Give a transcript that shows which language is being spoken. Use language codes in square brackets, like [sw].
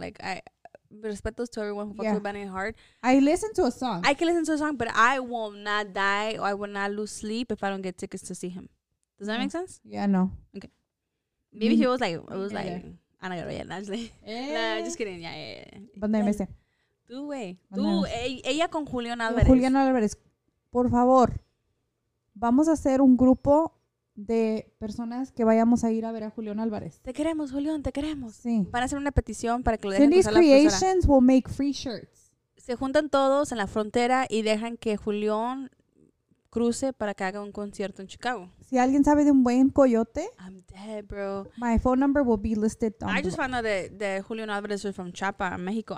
[en] Like, I respect those to everyone who fucks with Bad Bunny hard. I listen to a song. I can listen to a song, but I will not die or I will not lose sleep if I don't get tickets to see him. Does that make sense? Yeah, no. Okay. Maybe he was like, I don't know, yeah, just kidding, But then [es] ella con Julián Álvarez. Julián Álvarez, por favor, vamos a hacer un grupo de personas que vayamos a ir a ver a Julián Álvarez. Te queremos, Julián, te queremos. Sí. Van a hacer una petición para que lo dejen pasar la frontera. [en] Cindy's Creations will make free shirts. [es] Se juntan todos en la frontera y dejan que Julián cruce para que haga un concierto en Chicago. Si alguien sabe de un buen coyote, [en] I'm dead, bro. My phone number will be listed down. Found out that Julián Álvarez was from Chiapas, Mexico.